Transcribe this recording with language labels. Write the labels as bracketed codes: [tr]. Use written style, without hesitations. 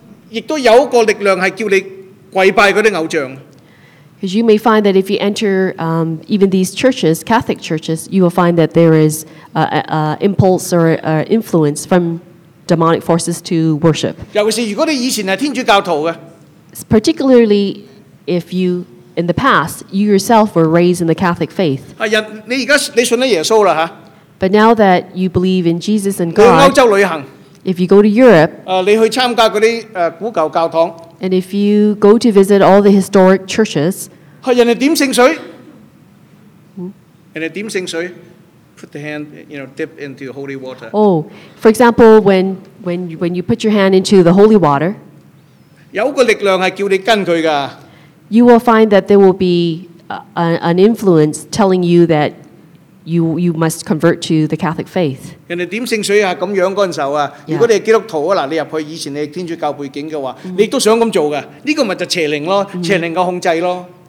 [yue] 亦都有一個力量係叫你跪拜嗰啲偶像。 [en] Because you may find that if you enter even these churches, Catholic churches, you will find that there is a impulse or a influence from demonic forces to worship. [yue] 尤其是如果你以前係天主教徒嘅。 [en] Particularly if you in the past you yourself were raised in the Catholic faith. [yue] 啊，人你而家你信咗耶穌啦嚇。 [en] But now that you believe in Jesus and God. [yue] 去歐洲旅行。 [en] If you go to Europe, [yue] 你去參加嗰啲古舊教堂 [en] ，and if you go to visit all the historic churches, [yue] 係人哋點聖水？人哋點聖水 [en] ？Put the hand, you know, dip into holy water. Oh, for example, when you put your hand into the holy water, [yue] 有個力量係叫你跟佢㗎。 [en] You will find that there will be an influence telling you that. You must convert to the Catholic faith. [yue] 人哋點聖水啊？咁樣嗰陣時候啊，如果你係基督徒啊，嗱，你入去以前你天主教背景嘅話，你都想咁做嘅。呢個咪就邪靈咯，邪靈嘅控制咯。